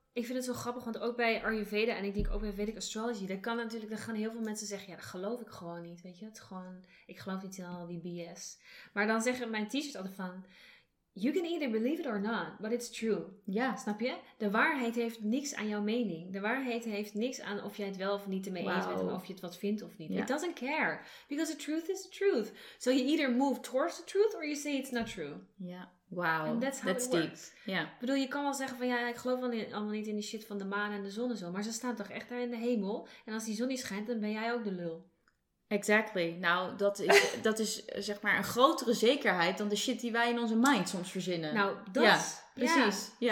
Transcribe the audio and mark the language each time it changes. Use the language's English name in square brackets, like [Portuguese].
[Dutch] Ik vind het wel grappig, want ook bij Ayurveda en ik denk ook bij Vedic Astrology, dan kan natuurlijk, dan gaan heel veel mensen zeggen, ja, dat geloof ik gewoon niet, weet je. Het is gewoon, ik geloof niet in al die BS. Maar dan zeggen mijn teachers altijd van, [English] you can either believe it or not, but it's true. [Dutch] Ja. Snap je? De waarheid heeft niks aan jouw mening. De waarheid heeft niks aan of jij het wel of niet ermee eens bent, of je het wat vindt of niet. [English] Yeah. It doesn't care. Because the truth is the truth. So you either move towards the truth or you say it's not true. Ja. Yeah. Wauw, that's deep. Yeah. [Dutch] Ik bedoel, je kan wel zeggen van ja, ik geloof allemaal niet in die shit van de maan en de zon en zo. Maar ze staan toch echt daar in de hemel. En als die zon niet schijnt, dan ben jij ook de lul. [English] Exactly. [Dutch] Nou, dat is zeg maar een grotere zekerheid dan de shit die wij in onze mind soms verzinnen. Nou, dat. Yeah. Precies. Yeah.